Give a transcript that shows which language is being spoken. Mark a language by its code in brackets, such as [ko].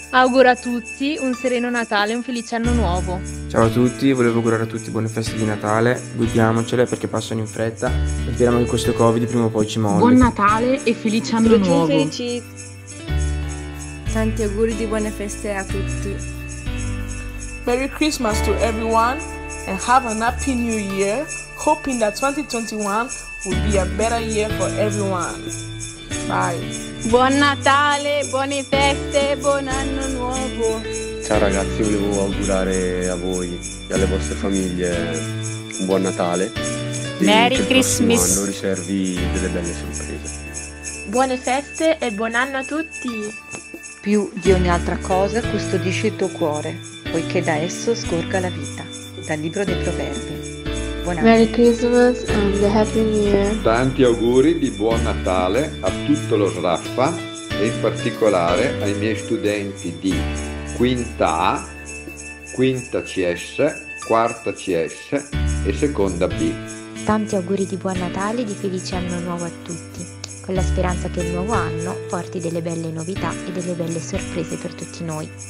[it] Auguro a tutti un sereno Natale e un felice anno nuovo. Ciao a tutti, volevo augurare a tutti buone feste di Natale. Guidiamocele perché passano in fretta e speriamo che questo Covid prima o poi ci molli. Buon Natale e felice anno Frucci nuovo. Felici. Tanti auguri di buone feste a tutti. [en] Merry Christmas to everyone and have an happy new year, hoping that 2021 will be a better year for everyone. Bye. [it] Buon Natale, buone feste, buon anno nuovo. Ciao ragazzi, volevo augurare a voi e alle vostre famiglie un buon Natale. [en] Merry Christmas. [it] Il prossimo anno riservi delle belle sorprese. Buone feste e buon anno a tutti. Più di ogni altra cosa custodisci il tuo cuore, poiché da esso scorga la vita. Dal libro dei Proverbi. Buon anno. [en] Merry Christmas and a Happy New Year. [it] Tanti auguri di buon Natale a tutto lo Sraffa e in particolare ai miei studenti di Quinta A, Quinta CS, Quarta CS e Seconda B. Tanti auguri di buon Natale e di felice anno nuovo a tutti, con la speranza che il nuovo anno porti delle belle novità e delle belle sorprese per tutti noi.